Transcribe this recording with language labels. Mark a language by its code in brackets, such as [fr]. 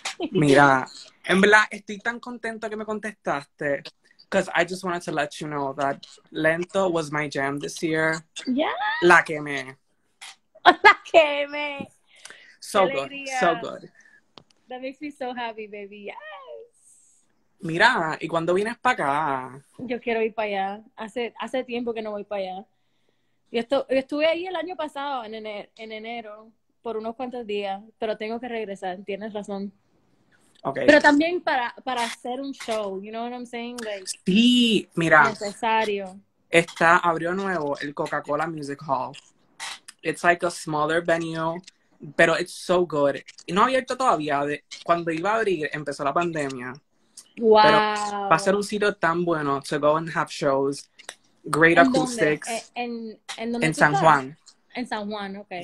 [es] Mira, en verdad, estoy tan contento que me contestaste. [en] Because I just wanted to let you know that Lento was my jam this year. Yeah. [es] La quemé. La quemé. [en] So Alegría. Good. So good. That makes me so happy, baby. Yes. [es] Mira, ¿y cuándo vienes para acá? Yo quiero ir para allá. Hace tiempo que no voy para allá. Yo estuve ahí el año pasado, en enero, por unos cuantos días. Pero tengo que regresar. Tienes razón. [en] Okay. [es] Pero también para hacer un show, [en] you know what I'm saying? Like, [es] sí, mira. Necesario. Está, abrió nuevo el Coca-Cola Music Hall. [en] It's like a smaller venue, [es] pero [en] it's so good. [es] Y no ha abierto todavía. Cuando iba a abrir, empezó la pandemia. Wow. Pero va a ser un sitio tan bueno [en] to go and have shows. Great [es] ¿En [en] acoustics. [es] Dónde? ¿En dónde en San Juan. En San Juan, [en] okay.